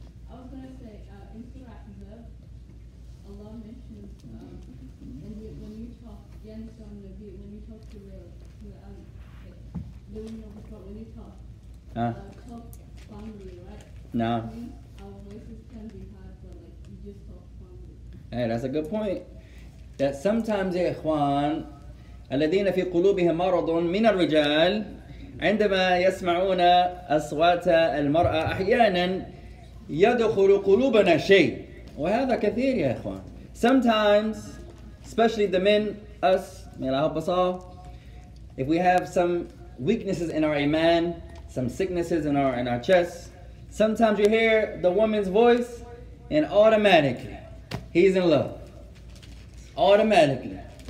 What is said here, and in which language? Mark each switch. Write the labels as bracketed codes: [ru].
[en] I was gonna say, in Surah Ahzab, Allah mentions when you talk fondly, right? No. Our voices can be hard, but like you just talk fondly. Hey, that's a good point. [ar] That sometimes Ikhwan الذين في قلوبهم مرض من الرجال عندما يسمعون أصوات المرأة أحيانا يدخل قلوبنا شيء وهذا كثير يا إخوان. [en] Sometimes, especially the men, us, may Allah help us all, if we have some weaknesses in our iman, some sicknesses in our chest, sometimes you hear the woman's voice and automatically he's in love. Automatically.